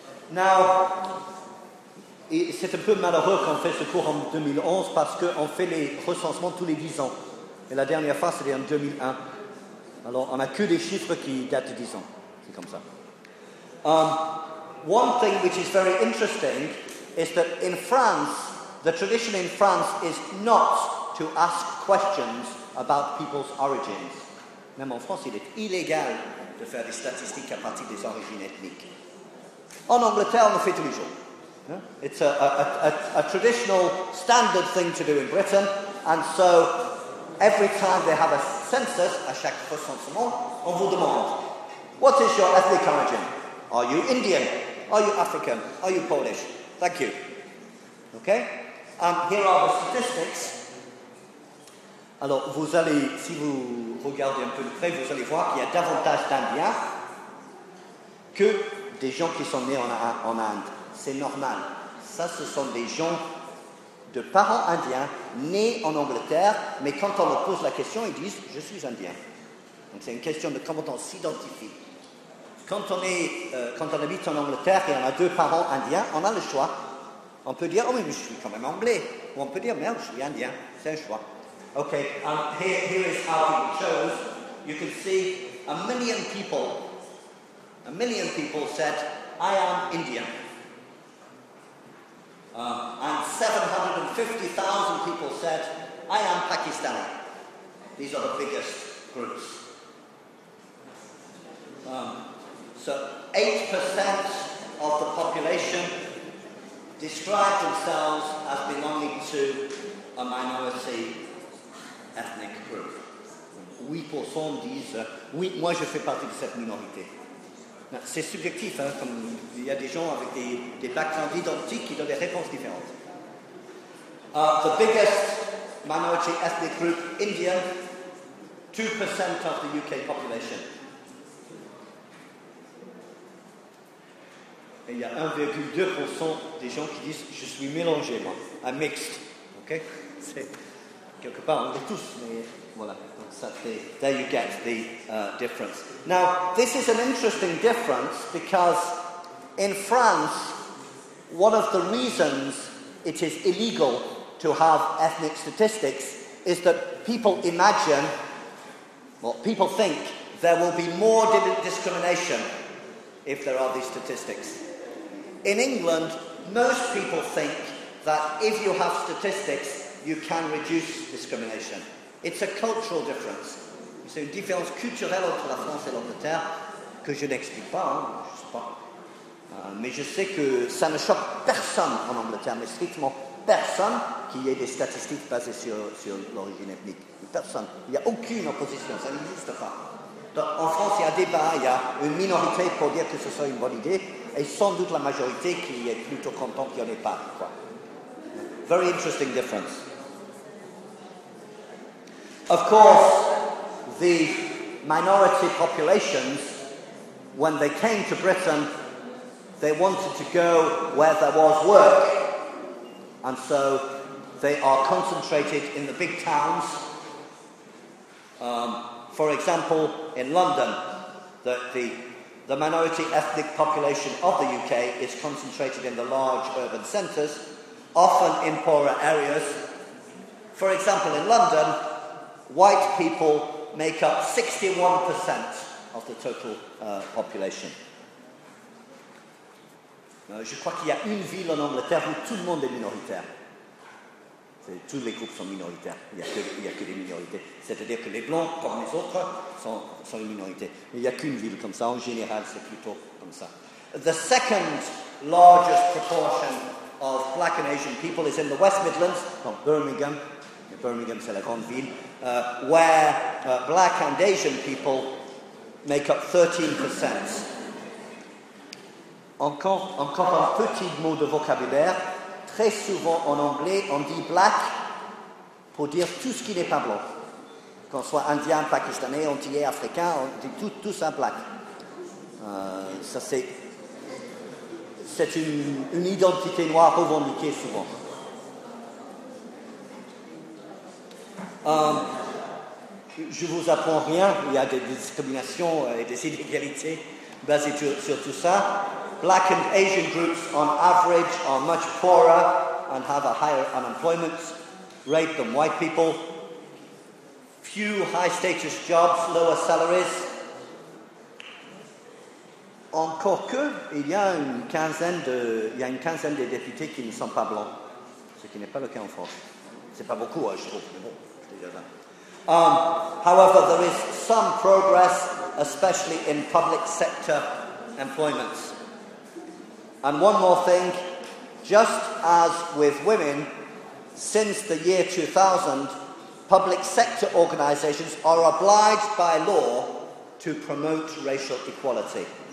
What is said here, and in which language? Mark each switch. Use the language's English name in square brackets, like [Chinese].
[French] Now, c'est un peu malheureux qu'on fait ce cours en 2011 parce qu'on fait les recensements tous les 10 ans. Et la dernière fois, c'était en 2001. Alors, on n'a que des chiffres qui datent de 10 ans. C'est comme ça. [English] One thing which is very interesting is that in France, the tradition in France is not to ask questions about people's origins. [French] Même en France, il est illégal de faire des statistiques à partir des origines ethniques. En Angleterre, on le fait tous les jours. [English] It's a traditional standard thing to do in Britain, and so every time they have a census, [French] à chaque recensement, [English] on vous demande, what is your ethnic origin? Are you Indian? Are you African? Are you Polish? Thank you. Okay? Here are the statistics. [French] Alors, vous allez, si vous regardez un peu de près, vous allez voir qu'il y a davantage d'Indiens que des gens qui sont nés en Inde. C'est normal. Ça, ce sont des gens de parents indiens nés en Angleterre, mais quand on leur pose la question, ils disent « je suis indien ». Donc, c'est une question de comment on s'identifie. Quand on habite en Angleterre et on a deux parents indiens, on a le choix. On peut dire « oh, mais je suis quand même anglais ». Ou on peut dire « merde, je suis indien ». C'est un choix. [English] Okay, and here is how it shows. You can see a million people said, I am Indian. And 750,000 people said, I am Pakistani. These are the biggest groups. So 8% of the population described themselves as belonging to a minority ethnic group. [French] 8% disent oui, moi je fais partie de cette minorité. C'est subjectif, hein, comme il y a des gens avec des backgrounds identiques qui donnent des réponses différentes. [English] The biggest minority ethnic group, India, 2% of the UK population. [French] Et il y a 1,2% des gens qui disent je suis mélangé, moi, [English] I'm mixed. [French] Ok, c'est quelque part, on est tous, mais voilà. Donc, ça fait, [English] there you get the difference. Now, this is an interesting difference because in France, one of the reasons it is illegal to have ethnic statistics is that people imagine, well, people think there will be more discrimination if there are these statistics. In England, most people think that if you have statistics, you can reduce discrimination. It's a cultural difference. [French] C'est une différence culturelle entre la France et l'Angleterre que je n'explique pas, hein, je sais pas. Mais je sais que ça ne choque personne en Angleterre, mais strictement personne qu'il y ait des statistiques basées sur l'origine ethnique. Personne. Il n'y a aucune opposition, ça n'existe pas. Donc, en France, il y a débat, il y a une minorité pour dire que ce soit une bonne idée, et sans doute la majorité qui est plutôt contente qu'il n'y en ait pas, quoi. [English] Very interesting difference. Of course, the minority populations, when they came to Britain, they wanted to go where there was work. And so they are concentrated in the big towns. For example, in London, the minority ethnic population of the UK is concentrated in the large urban centres, often in poorer areas. For example, in London, white people make up 61% of the total population. [French] Je crois qu'il y a une ville en Angleterre où tout le monde est minoritaire. C'est, tous les groupes sont minoritaires. Il n'y a que des minorités. C'est-à-dire que les blancs, comme les autres, sont une minorité. Mais il n'y a qu'une ville comme ça. En général, c'est plutôt comme ça. [English] The second largest proportion of black and Asian people is in the West Midlands, from Birmingham, Birmingham, Silicon Valley, where black and Asian people make up 13%. [French] Encore un petit mot de vocabulaire. Très souvent en anglais, on dit black pour dire tout ce qui n'est pas blanc. Qu'on soit indien, pakistanais, antillais, africain, on dit tout ça black. Ça c'est une identité noire revendiquée souvent. Je ne vous apprends rien, il y a des discriminations et des inégalités basées sur tout ça. [English] Black and Asian groups, on average, are much poorer and have a higher unemployment rate than white people. Few high-status jobs, lower salaries. [French] Encore que, il y a une quinzaine de députés qui ne sont pas blancs, ce qui n'est pas le cas en France. C'est pas beaucoup, je trouve, mais bon, c'est déjà ça. [English] However, there is some progress, especially in public sector employment. And one more thing, just as with women, since the year 2000, public sector organisations are obliged by law to promote racial equality.